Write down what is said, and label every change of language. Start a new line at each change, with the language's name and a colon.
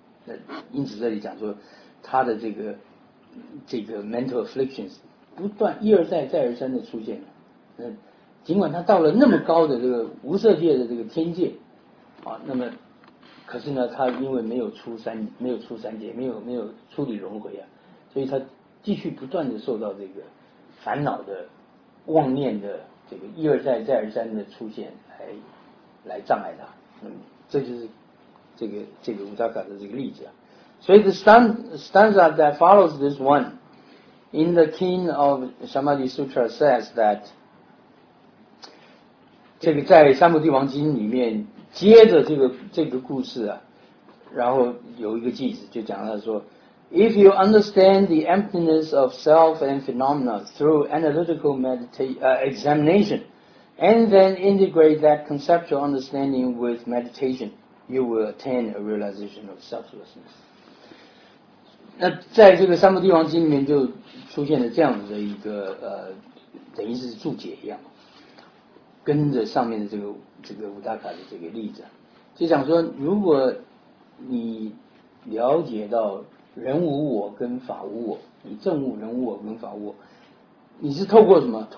Chinese: 那因此这里讲说，他的这个 mental afflictions 不断一而再再而三的出现。那尽管他到了那么高的这个无色界的这个天界啊，那么可是呢，他因为没有出三界，没有处理轮回啊，所以他继续不断的受到这个烦恼的妄念的。这个一而再再而三的出现来障碍他，这就是这个乌扎卡的这个例子啊。
English: 所以 the stanza that follows this one in the King of Samadhi Sutra says that
Chinese: 这个在三摩地王经里面接着这个故事啊，然后有一个句子就讲到说，
English: If you understand the emptiness of self and phenomena through analytical examination, and then integrate that conceptual understanding with meditation, you will attain a realization of selflessness.
Chinese: 那在这个三摩地王经里面就出现了这样的一个等于是注解一样，跟着上面的这个乌达卡的这个例子，就讲说，如果你了解到人无我跟法无我，你证悟人无我跟法无我，你是透过什么？